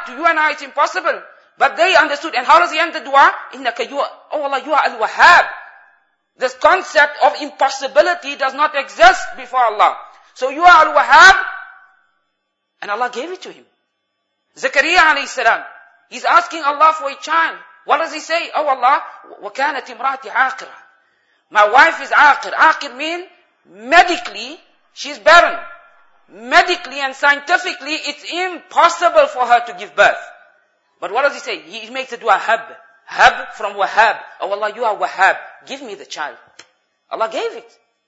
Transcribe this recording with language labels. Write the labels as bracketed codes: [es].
[en] To you and I it's impossible. But they understood. And how does he end the dua? Innaka you are, oh Allah, you are Al-Wahhab. This concept of impossibility does not exist before Allah. So you are Al-Wahhab. And Allah gave it to him. Zakariya alayhi salam. He's asking Allah for a child. What does he say? Oh Allah, [ar] وَكَانَتْ إِمْرَاتِ عَاقِرًا. [en] My wife is aqir. Aqir means medically, she's barren. Medically and scientifically, it's impossible for her to give birth. But what does he say? He makes a dua, hab. Hab from wahab. Oh Allah, you are wahab. Give me the child. Allah gave it.